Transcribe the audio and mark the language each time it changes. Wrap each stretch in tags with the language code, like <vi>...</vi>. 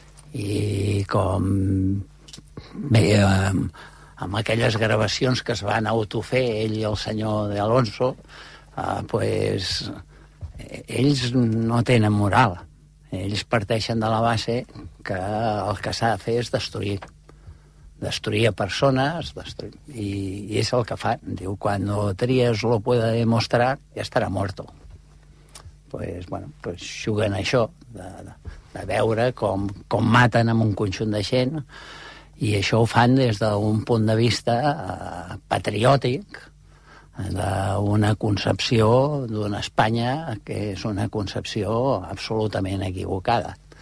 <ca>I com bé, amb aquelles gravacions que es van autofer ell i el senyor de Alonso, pues, ells no tenen moral. Ells parteixen de la base que el que s'ha de fer és destruir. Destruir a persones, i és el que fa. Diu,</ca> <es>cuando Trias lo pueda demostrar, ya estará muerto. Pues, bueno, pues</es> <ca>juguen això, de veure com maten amb un conjunt de gent, i això ho fan des d'un punt de vista patriòtic, d'una concepció d'una Espanya que és una concepció absolutament equivocada.</ca>